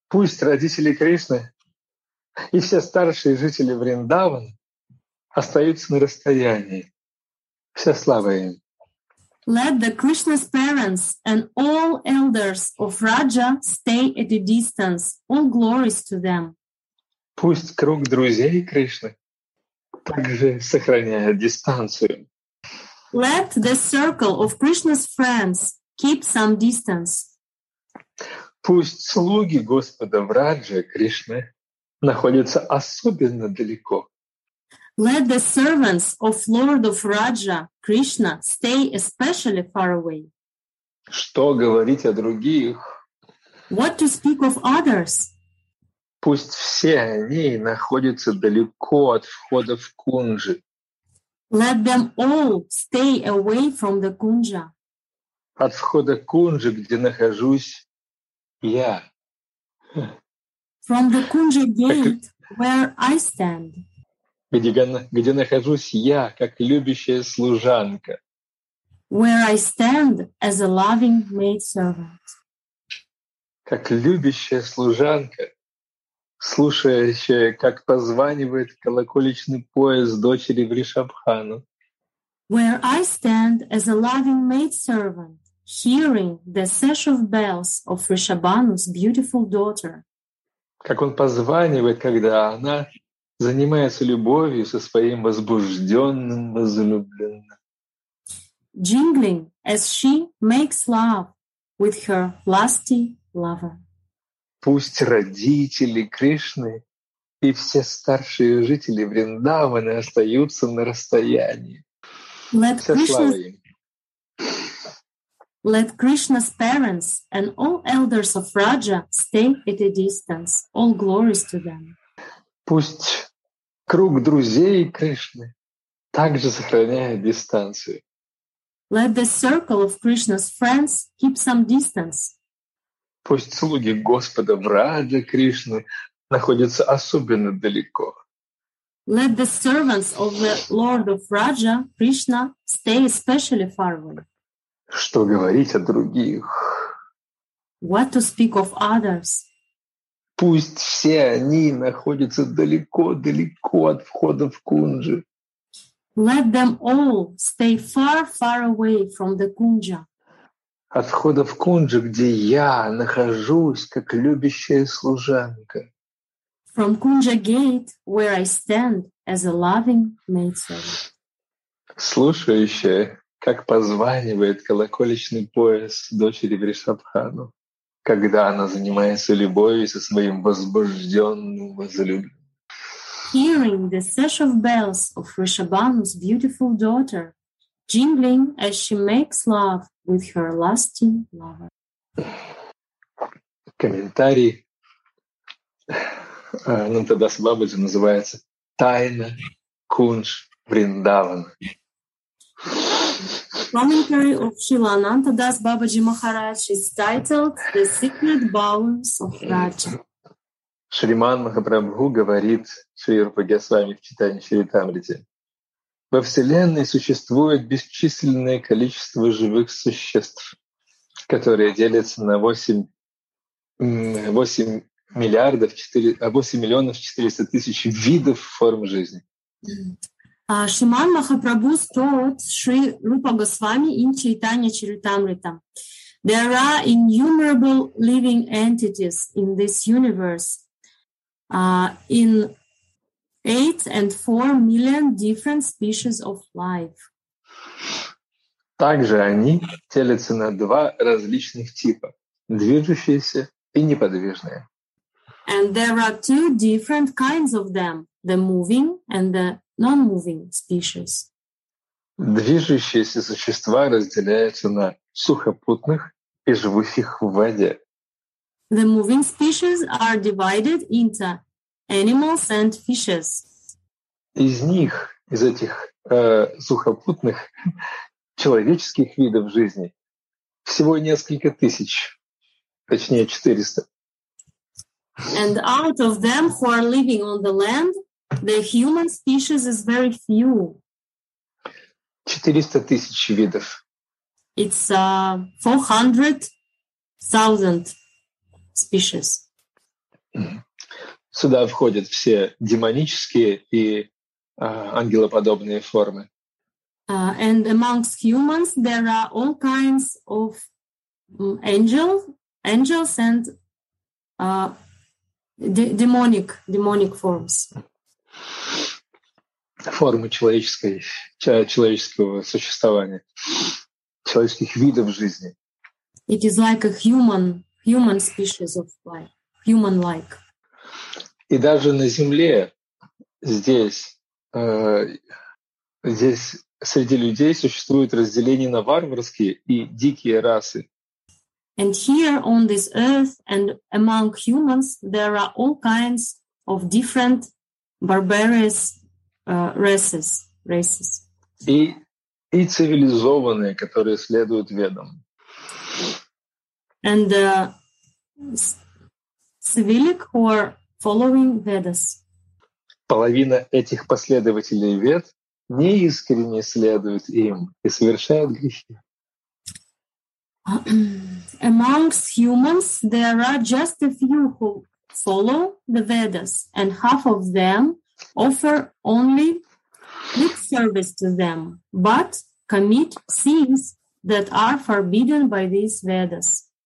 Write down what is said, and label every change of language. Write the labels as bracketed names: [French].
[Russian] Пусть родители Кришны и все старшие жители Вриндавана остаются на расстоянии. Вся слава им. [English] Let the Krishna's parents and all elders of Raja stay at a distance. All glories to them. [Russian] Пусть круг друзей Кришны также сохраняет дистанцию. [English] Let the circle of Krishna's friends keep some distance. [Russian] Пусть слуги Господа в Раджа Кришны находятся особенно далеко. [English] Let the servants of Lord of Raja Krishna stay especially far away. [Russian] Что говорить о других? [English] What to speak of others? [Russian] Пусть все они находятся далеко от входа в кунжи. [English] Let them all stay away from the kunja. [Russian] От входа кунжи, где нахожусь я. [English] From the kunja gate, where I stand. [Russian] Где нахожусь я, как любящая служанка. [English] Where I stand as a loving maidservant. [Russian] Как любящая служанка, слушающая, как позванивает колокольчный пояс дочери Вришабхану. [English] Where I stand as a loving maidservant, hearing the sash of bells of Vrishabhanu's beautiful daughter. [Russian] Как он позванивает, когда она занимается любовью со своим возбужденным возлюбленным. [English] Jingling as she makes love with her lusty lover. [Russian] Пусть родители Кришны и все старшие жители Вриндаваны остаются на расстоянии. [English] Let Krishna's, let Krishna's parents and all elders of Raja stay at a distance. All glories to them. [Russian] Пусть круг друзей Кришны также сохраняет дистанцию. [English] Let the circle of Krishna's friends keep some distance. [Russian] Пусть слуги Господа в Раджа Кришны находятся особенно далеко. [English] Let the servants of the Lord of Raja Krishna stay especially far away. [Russian] Что говорить о других? [English] What to speak of others? [Russian] Пусть все они находятся далеко-далеко от входа в кунджи. [English] Let them all stay far, far away from the kunja. [Russian] От входа в кунджи, где я нахожусь, как любящая служанка. [English] From kunja gate, where I stand as a loving maidservant. [Russian] Слушающая, как позванивает колокольчный пояс дочери Вришабхану, когда она занимается любовью со своим возбужденным возлюбленным. [English] Hearing the swish of bells of Vrishabhanu's beautiful daughter jingling as she makes love with her lusting lover. [Russian] Комментарий Анантадасабабы называется «Тайна Кунш Вриндавана». [English] Commentary of Srila Anantadas Babaji Maharaj is titled The Secret Bowers of Raja. [Russian] Шриман Махапрабху говорит Шри Рупа Госвами в читании Чаритамриты. Во Вселенной существует бесчисленное количество живых существ, которые делятся на 8 миллионов 400 тысяч видов форм жизни. [English] Шриман Махапрабху told Sri Rupa Goswami in Chaitanya Charitamrita, there are innumerable living entities in this universe in 8 and 4 million different species of life. [Russian] Также они делятся на два различных типа, движущиеся и неподвижные. [English] And there are two different kinds of them, the moving and the non-moving species. [Russian] Движущиеся существа разделяются на сухопутных и живущих в воде. [English] The moving species are divided into animals and fishes. [Russian] Из них, из этих сухопутных человеческих видов жизни, всего несколько тысяч, точнее 400. [English] And out of them who are living on the land, the human species is very few. [Russian] 400 тысяч видов. [English] It's 400,000 species. [Russian] Сюда входят все демонические и ангелоподобные формы. [English] And amongst humans there are all kinds of angels and demonic forms. [Russian] Формы человеческого существования, человеческих видов жизни. [English] It is like a human species of life, human-like. [Russian] И даже на Земле, здесь среди людей существует разделение на варварские и дикие расы. [English] And here on this earth and among humans, there are all kinds of different barbarous races. [Russian] И цивилизованные, которые следуют ведам. [English] And civilic who are following Vedas. [Russian] Половина этих последователей Вед неискренне следует им и совершает грехи. [English] Amongst humans, there are just a few who follow the Vedas, and half of them offer only lip service to them, but commit sins that are forbidden by these Vedas.